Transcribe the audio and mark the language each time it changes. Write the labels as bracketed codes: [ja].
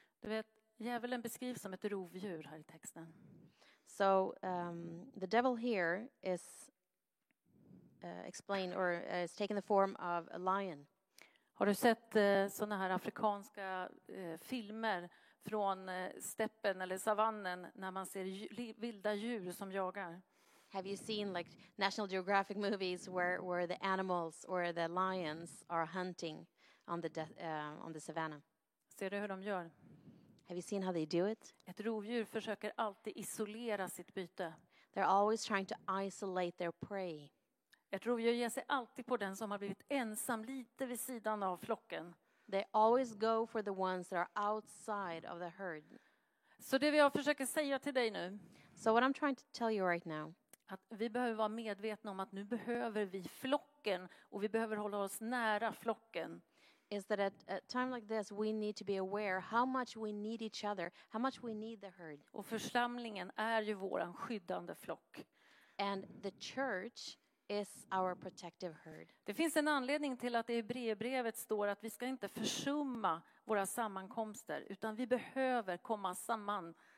[sv] Du vet, djävulen beskrivs som ett rovdjur här i texten. [en] So the devil here is explained or is taking the form of a lion. [sv] Har du sett såna här afrikanska filmer från steppen eller savannen när man ser vilda djur som jagar? [en] Have you seen like National Geographic movies where the animals or the lions are hunting on the savanna? [sv] Ser du hur de gör? [en] Have you seen how they do it? [sv] Ett rovdjur försöker alltid isolera sitt byte. [en] They're always trying to isolate their prey. [sv] Ett rovdjur ger sig alltid på den som har blivit ensam lite vid sidan av flocken. [en] They always go for the ones that are outside of the herd. [sv] Så det vi har försöker säga till dig nu. [en] So what I'm trying to tell you right now. [sv] Att vi behöver vara medvetna om att nu behöver vi flocken och vi behöver hålla oss nära flocken. [en] Is that at a time like this we need to be aware how much we need each other, how much we need the herd. [sv] Och församlingen är ju våran skyddande flock. [en] And the church is our protective herd. [sv] Det finns en anledning till att det i Hebreerbrevet står att vi ska inte försumma våra sammankomster, utan vi behöver komma samman.